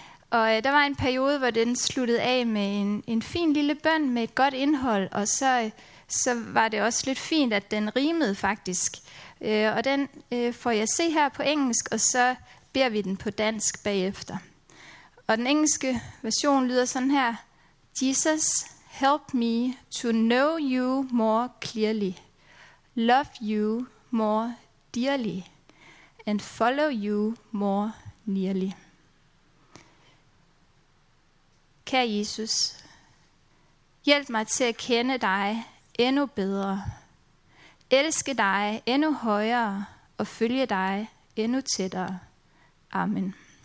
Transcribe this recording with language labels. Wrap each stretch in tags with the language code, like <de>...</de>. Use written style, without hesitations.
<da>Og der var en periode, hvor den sluttede af med en fin lille bøn med et godt indhold, og så var det også lidt fint, at den rimede faktisk. Og den får jeg se her på engelsk, og så beder vi den på dansk bagefter. Og den engelske version lyder sådan her.</da> <en>Jesus, help me to know you more clearly. Love you more dearly and follow you more nearly.</en> <da>Kære Jesus, hjælp mig til at kende dig endnu bedre, elske dig endnu højere og følge dig endnu tættere. Amen.</da>